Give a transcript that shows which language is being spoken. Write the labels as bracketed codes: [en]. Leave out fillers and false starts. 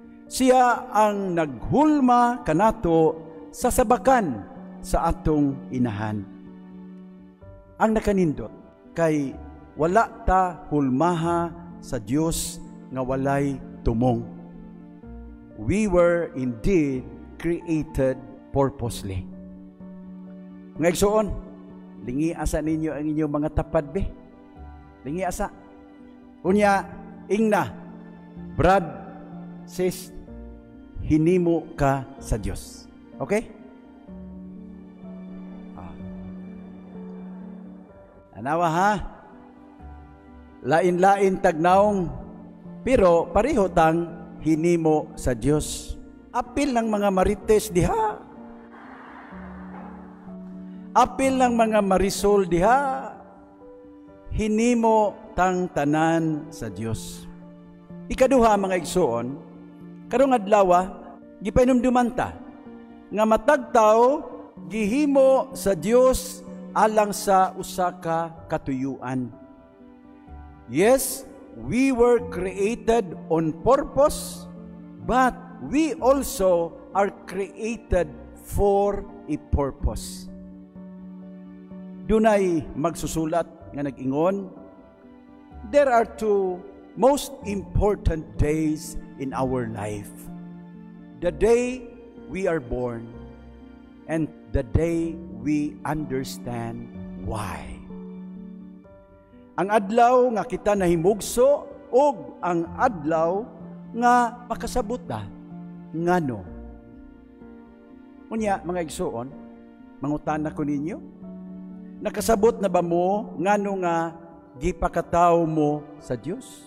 [ceb] Siya ang naghulma kanato sa sabakan sa atong inahan. Ang nakanindot kay wala ta hulmaha sa Dios nga walay tumong. [en] We were indeed created purposely. [ceb] Ngayon, lingi asa ninyo ang inyong mga tapad be. Lingi asa. Unya, ingna, Brad, sis, hinimo ka sa Dios. Okay? Anawa ha, lain-lain tagnaong, pero pareho tang hinimo sa Dios. Apil ng mga Marites diha. Apil ng mga Marisol diha. Hinimo tang tanan sa Dios. Ikaduha mga igsoon, karong adlawa, gipainumduman ta, nga matagtaw, gihimo sa Dios alang sa usa ka katuyuan. [en] Yes, we were created on purpose, but we also are created for a purpose. [ceb] Dunay magsusulat nga nag-ingon, [en] there are two most important days in our life. The day we are born and the day we understand why. [ceb] Ang adlaw nga kita nahimugso o ang adlaw nga makasabot na ngano. Unya, mga igsoon, mangutan na ko ninyo, nakasabot na ba mo ngano nga gipakatao mo sa Dios?